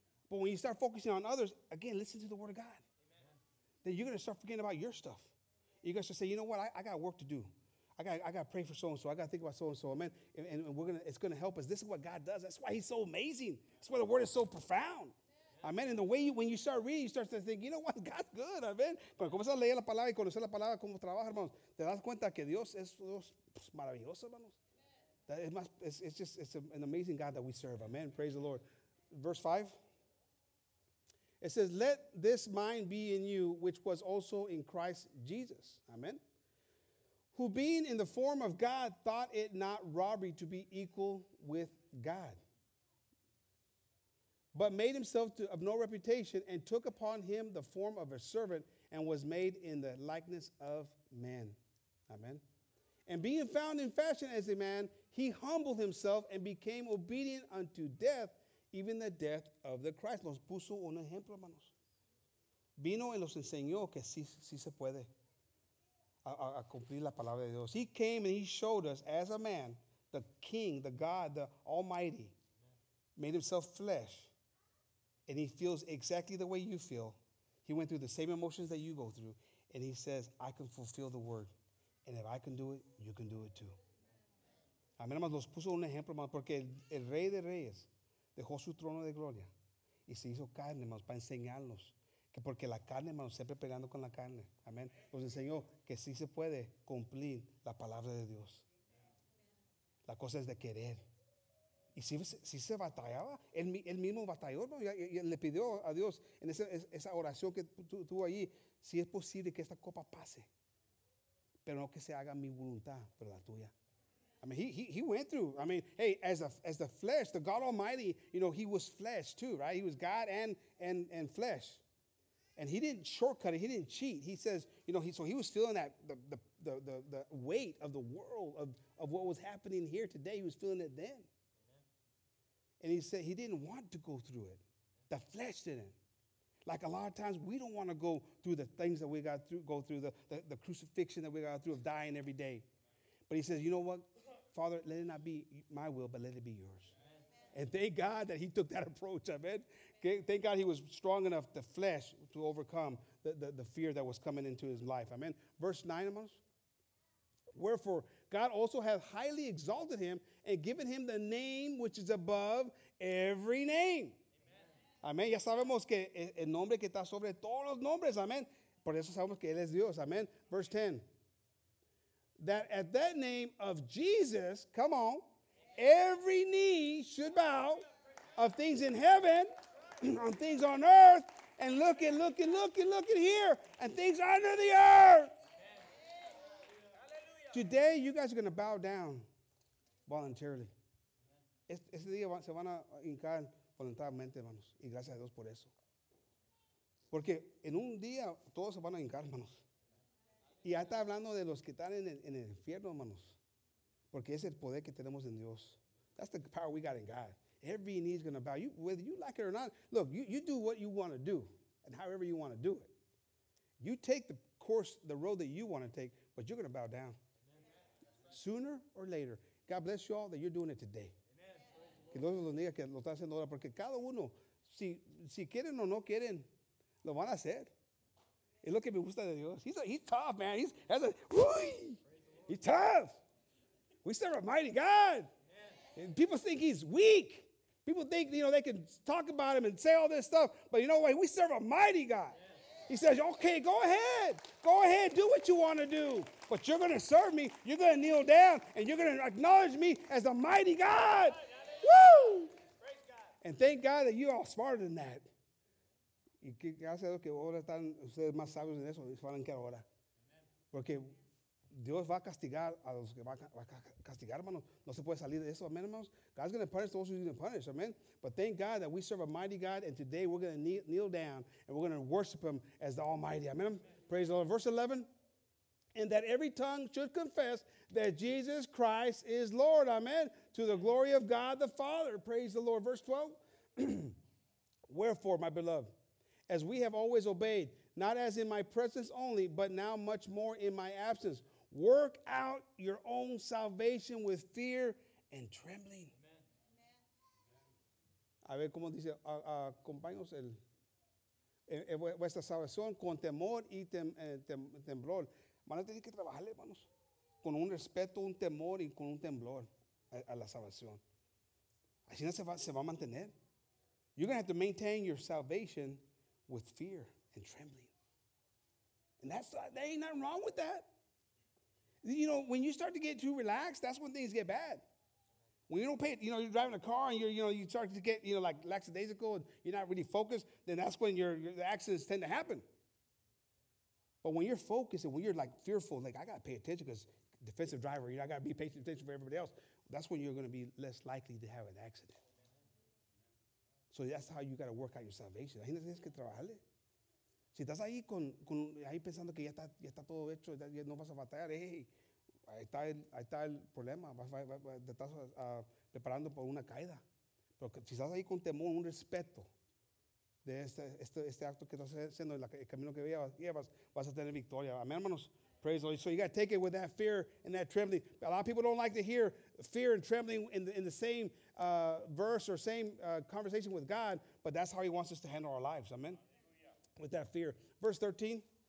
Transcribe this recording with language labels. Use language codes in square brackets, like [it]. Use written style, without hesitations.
[en] But when you start focusing on others, again, listen to the Word of God. Then you're going to start forgetting about your stuff. You're going to say, you know what? I got work to do. I got to pray for so-and-so. I got to think about so-and-so. Amen. And it's going to help us. This is what God does. That's why He's so amazing. That's why the Word is so profound. Amen. And the way when you start reading, you start to think, you know what? God's good. Amen. [es] Cuando comienzas a leer la palabra y conocer la palabra, cómo trabaja, hermanos, te das cuenta que Dios es Dios maravilloso, hermanos. [en] It's an amazing God that we serve. Amen. Praise the Lord. Verse 5. It says, let this mind be in you, which was also in Christ Jesus. Amen. Who being in the form of God, thought it not robbery to be equal with God, but made himself of no reputation and took upon him the form of a servant and was made in the likeness of men. Amen. And being found in fashion as a man, he humbled himself and became obedient unto death, even the death of the Christ. [es] Nos puso un ejemplo, hermanos. Vino y nos enseñó que sí se puede a cumplir la palabra de Dios. [en] He came and he showed us as a man, the King, the God, the Almighty, made himself flesh, and he feels exactly the way you feel. He went through the same emotions that you go through, and he says, I can fulfill the word, and if I can do it, you can do it too. [es] Amén, hermanos. Nos puso un ejemplo, hermanos, porque el Rey de Reyes dejó su trono de gloria y se hizo carne, hermanos, para enseñarnos que porque la carne, hermanos, siempre peleando con la carne. Amén. Nos enseñó que sí se puede cumplir la palabra de Dios. La cosa es de querer. Y si se batallaba, él mismo batalló, ¿no? Y le pidió a Dios en esa oración que tuvo allí, si es posible que esta copa pase, pero no que se haga mi voluntad, pero la tuya. [en] I mean, he went through. I mean, hey, as the flesh, the God Almighty, you know, he was flesh too, right? He was God and flesh. And he didn't shortcut it. He didn't cheat. He says, you know, he was feeling that the the weight of the world, of what was happening here today. He was feeling it then. And he said he didn't want to go through it. The flesh didn't. Like a lot of times, we don't want to go through the things that we got through, go through the crucifixion that we got through of dying every day. But he says, you know what, Father, let it not be my will, but let it be yours. Amen. And thank God that he took that approach, amen. Thank God he was strong enough, the flesh, to overcome the fear that was coming into his life, amen. Verse 9, amos. Wherefore, God also hath highly exalted him and given him the name which is above every name. [es] Amén. Ya sabemos que el nombre que está sobre todos los nombres. Amén. Por eso sabemos que Él es Dios. Amén. [en] Verse 10. That at that name of Jesus, come on, every knee should bow of things in heaven, on things on earth, and looking here, and things under the earth. Today, you guys are going to bow down voluntarily. [es] Este día se van a hincar voluntariamente, hermanos. Y gracias a Dios por eso. Porque en un día todos se van a hincar, hermanos. Y ya está hablando de los que están en el infierno, hermanos. Porque ese es el poder que tenemos en Dios. [en] That's the power we got in God. Every knee is going to bow. You, whether you like it or not, look, you do what you want to do and however you want to do it. You take the course, the road that you want to take, but you're going to bow down. Sooner or later, God bless you all that you're doing it today. [es] Que Dios los diga que lo está haciendo ahora, porque cada uno, si quieren o no quieren, lo van a hacer. Es lo que me gusta de Dios. [en] He's tough, man. He's tough. We serve a mighty God. And people think he's weak. People think, you know, they can talk about him and say all this stuff. But you know what? We serve a mighty God. He says, okay, go ahead. Go ahead. Do what you want to do. But you're going to serve me. You're going to kneel down. And you're going to acknowledge me as a mighty God. Woo! And thank God that you all smarter than that. [es] Y gracias a Dios que ahora están ustedes más sabios en eso, y saben que ahora. Porque Dios va a castigar a los que va a castigar, hermano. No se puede salir de eso, amen, hermanos. [en] God's going to punish those who's going to punish, amen. But thank God that we serve a mighty God, and today we're going to kneel down, and we're going to worship him as the Almighty, amen. Praise the Lord. Verse 11, and that every tongue should confess that Jesus Christ is Lord, amen, to the glory of God the Father. Praise the Lord. Verse 12, wherefore, my beloved, as we have always obeyed, not as in my presence only, but now much more in my absence, work out your own salvation with fear and trembling. [es] A ver cómo dice, acompáñanos vuestra salvación con temor y temblor. Van a tener que trabajar, hermanos, con un respeto, un temor y con un temblor a la salvación. Así no se va a mantener. [en] You're going to have to maintain your salvation with fear and trembling. And that's, there ain't nothing wrong with that. You know, when you start to get too relaxed, that's when things get bad. When you don't pay, you know, you're driving a car and you start to get, you know, like lackadaisical and you're not really focused, then that's when the accidents tend to happen. But when you're focused and when you're like fearful, like I got to pay attention because defensive driver, you know, I got to be paying attention for everybody else. That's when you're going to be less likely to have an accident. So that's how you got to work out your salvation. [es] Ahí tienes que trabajarle. Si estás ahí con ahí pensando que ya está todo hecho, ya no vas a batallar. Hey, ahí está el problema. Te estás preparando por una caída. Pero si estás ahí con temor, un respeto de este acto que estás haciendo, el camino que llevas, vas a tener victoria. Amén, hermanos. [en] Praise the Lord. So you got to take it with that fear and that trembling. A lot of people don't like to hear fear and trembling in the same verse or same conversation with God, but that's how he wants us to handle our lives. Amen? Hallelujah. With that fear. Verse 13.